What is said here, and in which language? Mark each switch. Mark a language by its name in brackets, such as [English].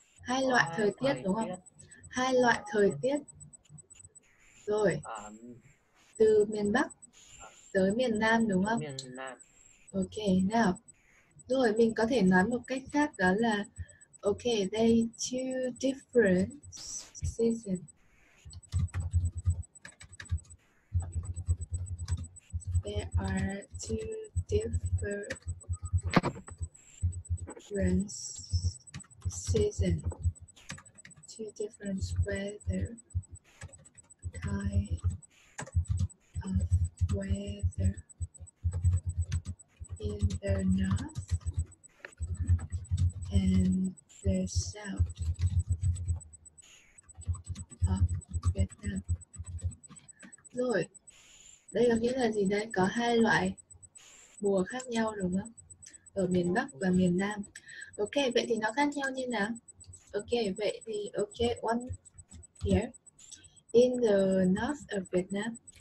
[Vietnamese] Hai loại thời tiết đúng không? Hai loại thời tiết. Rồi, từ miền Bắc tới miền Nam đúng không? Miền Nam. Ok, nào. Rồi, mình có thể nói một cách khác đó là ok, [English] they two different seasons. there are two different seasons, two different weather kind of weather in the north and the south of Vietnam. [Vietnamese] Rồi, đây có nghĩa là gì đây? Có hai loại mùa khác nhau đúng không? Ở miền Bắc và miền Nam. Ok, vậy thì nó khác nhau như nào? [English] Ok, [Vietnamese] vậy thì [English] ok, one here. In the north of Vietnam.